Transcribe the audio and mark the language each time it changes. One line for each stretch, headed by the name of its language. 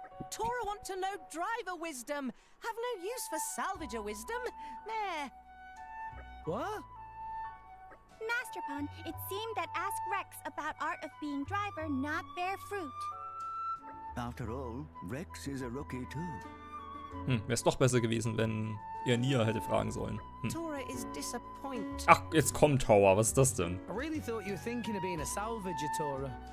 English: Tora want to know driver wisdom. Have no use for salvager wisdom. Meh. What? Master Pond, it seemed that ask Rex about art of being driver not bear fruit. After all, Rex is a rookie too.
German: Wär's doch besser gewesen, wenn ihr Nia hätte fragen sollen.
English: Tora is disappointed.
German: Ach, jetzt kommt Tora, was ist das denn?
English: I really thought you were thinking of being a salvager, Tora.